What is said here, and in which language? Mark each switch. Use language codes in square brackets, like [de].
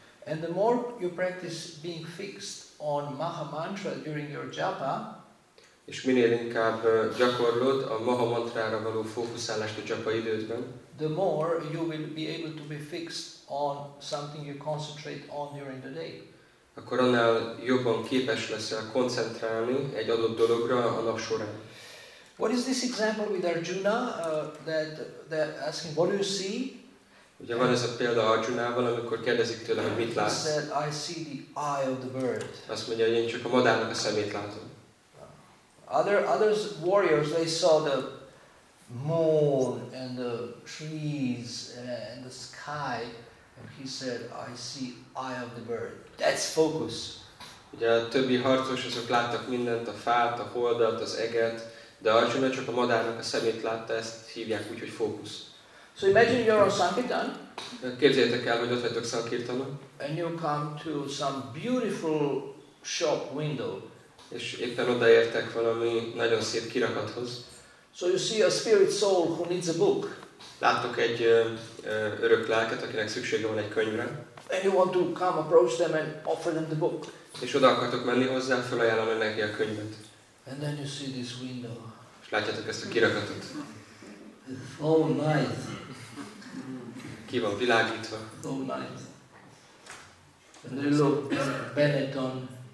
[en] And the more you practice being fixed on maha mantra during your japa, [hu] és minél inkább gyakorlod a maha mantrára való fókuszálást a japa idődben, [en] the more you will be able to be fixed on something you concentrate on during the day. [hu] Akkor annál jobban képes leszel koncentrálni egy adott dologra a nap során. [en] What is this example with Arjuna that asking, what do you see? [hu] Ugye van ez a példa Arjunával, amikor kérdezik tőle, hogy mit látsz. [en] He said, I see the eye of the bird. [hu] Azt mondja, hogy én csak a madárnak a szemét látom. [en] Other warriors, they saw the moon and the trees and the sky. And he said, I see eye of the bird. That's focus. [hu] Ugye a többi harcos, azok láttak mindent, a fát, a holdat, az eget. De Arjuna csak a madárnak a szemét látta, ezt hívják úgy, hogy fókusz. [en] So imagine you're on Sankirtan. [hu] Képzeljétek el, hogy ott vagytok Sankirtanon. [en] And you come to some beautiful shop window. [hu] És éppen odaértek valami nagyon szép kirakathoz. [en] So you see a spirit soul who needs a book. [hu] Láttok egy örök lelket, akinek szüksége van egy könyvre. [en] And you want to come approach them and offer them the book. [hu] És oda akartok menni hozzá, felajánlani neki a könyvet. [en] And then you see this window. [hu] És látjátok ezt a kirakatot. [en] Oh, nice. [hu] Ki van világítva. [en] Oh, nice. And then look, Benetton.